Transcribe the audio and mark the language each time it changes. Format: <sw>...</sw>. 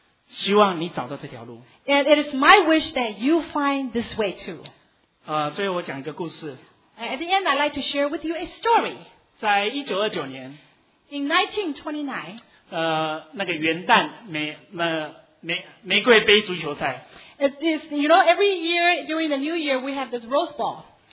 <zh>希望你找到这条路。</zh> <en>And it is my wish that you find this way too.</en> <zh>最后我讲一个故事。</zh> <en>At the end, I'd like to share with you a story.</en> <zh>在1929年。</zh> <en>In 1929.</en> <zh>那个元旦玫瑰杯足球赛。</zh> <en>It is, you know, every year during the New Year, we have this Rose Bowl.</en>